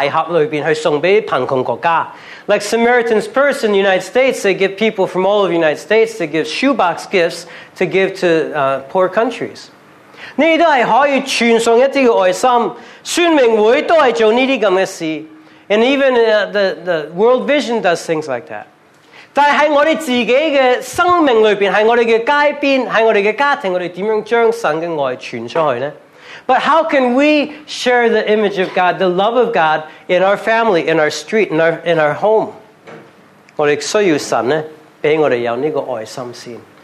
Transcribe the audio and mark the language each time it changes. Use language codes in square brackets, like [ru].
[zh] 好似撒瑪利亞錢包呢，就送一啲嘅喺美國全國嗰啲人會係收集啲禮物呢，就擺喺個鞋盒裏邊去送俾貧窮國家。 [en] Like Samaritan's Purse in the United States, they give people from all of the United States, they give shoebox gifts to give to poor countries. [zh] 呢啲都係可以傳送一啲嘅愛心，宣明會都係做呢啲咁嘅事。 [en] And even the World Vision does things like that. [zh] 但是在我们自己的生命里面，在我们的街边，在我们的家庭，我们怎样将神的爱传出去呢？ [en] But how can we share the image of God, the love of God, in our family, in our street, in our home? [zh] 我们需要神呢，给我们有这个爱心先。